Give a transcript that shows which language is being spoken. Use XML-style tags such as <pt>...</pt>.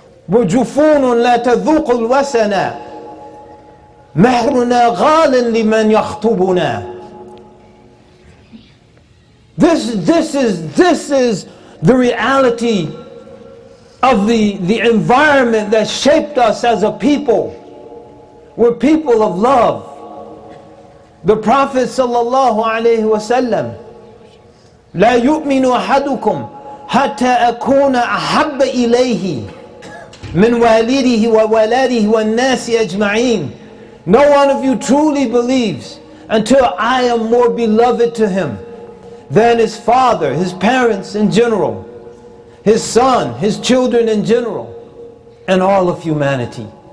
<ar>وَجُفُونٌ لَا تَذُوقُ الْوَسَنَا مَهْرُنَا غَالٍ لِمَنْ يَخْطُبُنَا.</ar> <en>This is the reality of the environment that shaped us as a people. We're people of love. The Prophet</en> <ar>sallallahu alayhi wa sallam, لَا يُؤْمِنُ أَحَدُكُمْ حَتَّى أَكُونَ أَحَبَّ إِلَيْهِ مِنْ وَالِدِهِ وَوَلَدِهِ وَالنَّاسِ أَجْمَعِينَ.</ar> <en>No one of you truly believes until I am more beloved to him than his father, his parents in general, his son, his children in general, and all of humanity.</en>